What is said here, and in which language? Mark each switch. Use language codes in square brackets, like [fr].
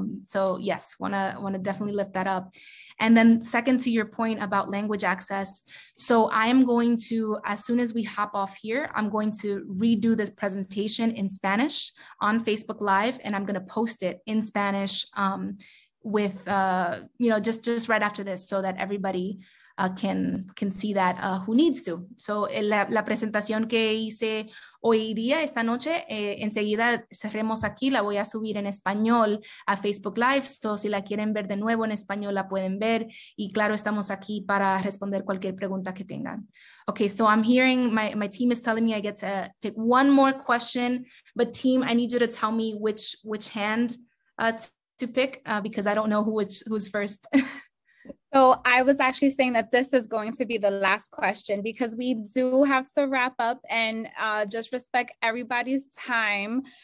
[en] So yes, want to definitely lift that up. And then second, to your point about language access, so I'm going to, as soon as we hop off here, I'm going to redo this presentation in Spanish on Facebook Live, and I'm going to post it in Spanish just right after this, so that everybody can see that who needs to. [es] So la presentación que hice hoy día, esta noche, enseguida cerremos aquí, la voy a subir en español a Facebook Live. So si la quieren ver de nuevo en español, la pueden ver. Y claro, estamos aquí para responder cualquier pregunta que tengan. [en] Okay, so I'm hearing my team is telling me I get to pick one more question. But team, I need you to tell me which hand to pick, because I don't know who's first. So I was actually saying that this is going to be the last question, because we do have to wrap up and just respect everybody's time.